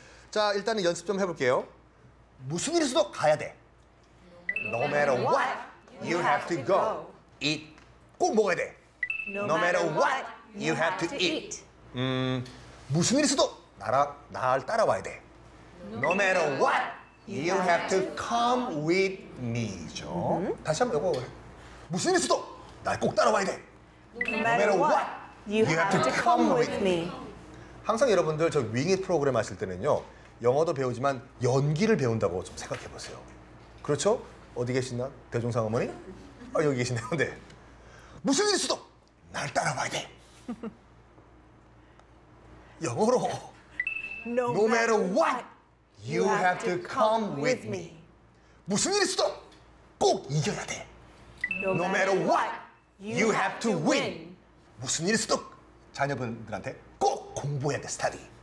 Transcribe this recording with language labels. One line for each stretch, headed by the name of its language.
Korean: 자, 일단은 연습 좀 해볼게요. 무슨 일에서도 가야 돼.
English: No matter what, you have to go. Eat.
Korean: 꼭 먹어야 돼.
English: No matter what, you have to eat.
Korean: 무슨 일에서도 나를 따라와야 돼.
English: No matter what, you have to come with me죠.
Korean: 다시 한번 이거. 무슨 일에서도 날 꼭 따라와야 돼.
English: No matter what. You have to come with me.
Korean: 항상 여러분들 저 Wing It 프로그램 하실 때는요 영어도 배우지만 연기를 배운다고 좀 생각해 보세요. 그렇죠? 어디 계시나? 대종상 어머니? 아, 여기 계시네요. 네. 무슨 일 있어도 날 따라와야 돼. 영어로
English: No matter what, you have to come with me.
Korean: 무슨 일 있어도 꼭 이겨야 돼.
English: No matter what, you have to win.
Korean: 무슨 일 있어도 자녀분들한테 꼭 공부해야 돼, 스터디.